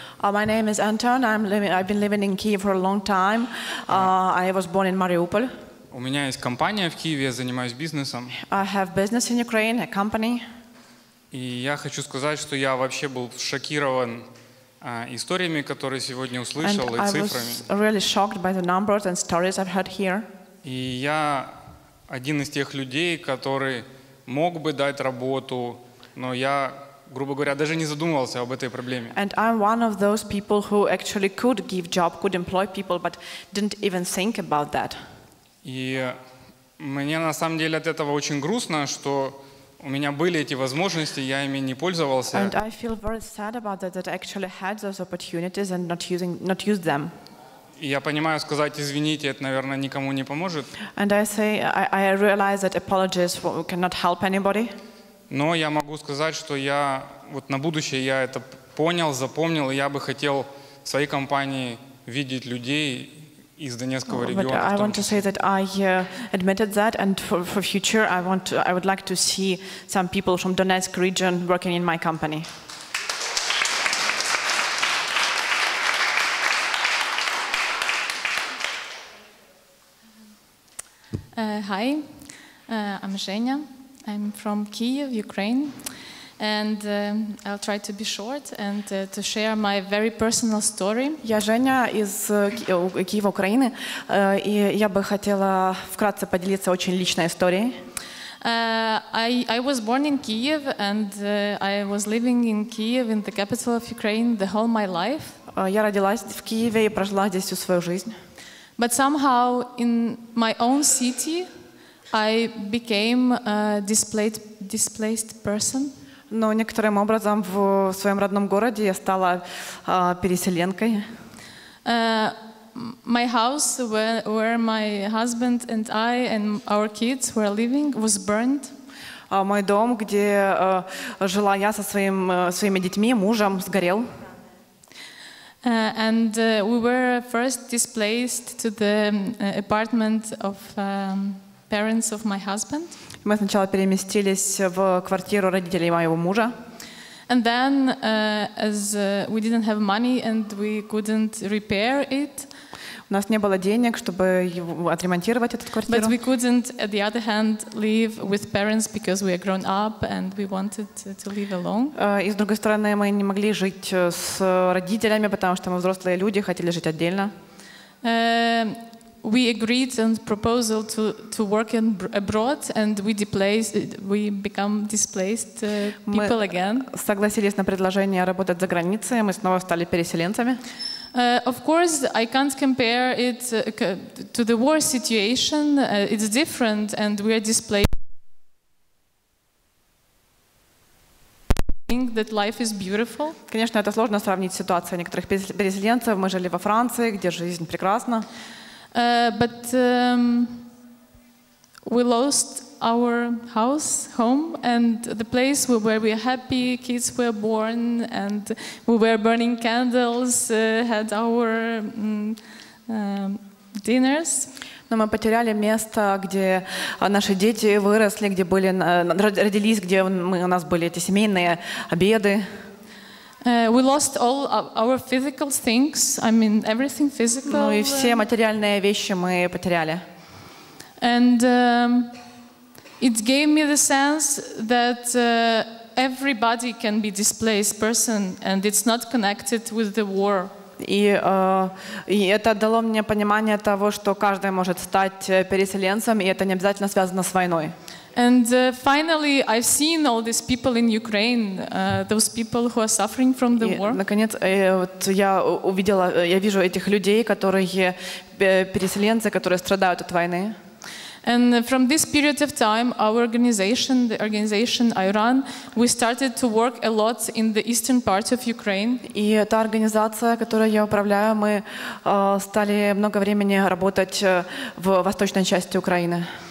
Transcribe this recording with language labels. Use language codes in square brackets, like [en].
[en] My name is Anton, I've been living in Kiev for a long time. I was born in Mariupol. [ru] У меня есть компания в Киеве, я занимаюсь бизнесом. [en] I have business in Ukraine, a company. [ru] И я хочу сказать, что я вообще был шокирован историями, которые сегодня услышал, [en] and [ru] и цифрами. [en] I was really shocked by the numbers and stories I've heard here. [ru] И я один из тех людей, который мог бы дать работу, но я, грубо говоря, даже не задумывался об этой проблеме. [en] And I'm one of those people who actually could give job, could employ people, but didn't even think about that. [ru] И мне на самом деле от этого очень грустно, что у меня были эти возможности, я ими не пользовался. [en] And I feel very sad about that, that I actually had those opportunities and not used them. [ru] И я понимаю, сказать извините, это, наверное, никому не поможет. [en] And I realize that apologies cannot help anybody. [ru] Но я могу сказать, что я вот на будущее я это понял, запомнил, и я бы хотел в своей компании видеть людей из Донецкого региона. [en] But I want to say that I admitted that, and for future I would like to see some people from Donetsk region working in my company. Hi, I'm Zhenya. I'm from Kyiv, Ukraine. And I'll try to be short and to share my very personal story. [uk] Я Женя из Києва, України, і я би хотіла вкратце поділитися [ru] очень личной [uk] історією. [en] I was born in Kyiv and I was living in Kyiv in the capital of Ukraine the whole my life. [ru] Я родилась в Києві і прожила здесь всю свою жизнь. [en] But somehow in my own city I became a displaced person. [ru] Но некоторым образом в своем родном городе я стала переселенкой. [en] my house where my husband and I and our kids were living was burned. [ru] Мой дом, где жила я со своими дітьми, мужем, сгорел. [en] And we were first displaced to the apartment of parents of my husband. [ru] Мы сначала переместились в квартиру родителей моего мужа. [en] And then as we didn't have money and we couldn't repair it. [ru] У нас не было денег, чтобы отремонтировать эту квартиру. [en] But we couldn't, at the other hand, live with parents because we are grown up and we wanted to live alone. [ru] И с другой стороны, мы не могли жить с родителями, потому что мы взрослые люди, хотели жить отдельно. [en] We agreed on proposal to work in abroad and we become displaced people again. [ru] Мы согласились на предложение работать за границей, мы снова стали переселенцами. [en] Of course, I can't compare it to the war situation. It's different and we are displaced. Think that life is beautiful. [ru] Конечно, это сложно сравнить ситуацию некоторых переселенцев. Мы жили во Франции, где жизнь прекрасна. [en] We lost our house, home, and the place where we were happy, kids were born, and we were burning candles, had our dinners. [ru] Но мы потеряли место, где наши дети выросли, где были родились, где у нас были эти семейные обеды. [en] We lost all our physical things. I mean, everything physical. [ru] Ну и все материальные вещи мы потеряли. [en] And it gave me the sense that everybody can be displaced person, and it's not connected with the war. [ru] И это дало мне понимание того, что каждый может стать переселенцем, и это не обязательно связано с войной. [en] And finally, I've seen all these people in Ukraine, those people who are suffering from the war. [ru] Наконец, вот я вижу этих людей, которые переселенцы, которые страдают от войны. [en] And from this period of time, our organization, the organization I run, we started to work a lot in the eastern part of Ukraine. [ru] И эта организация, которой я управляю, мы стали много времени работать в восточной части Украины.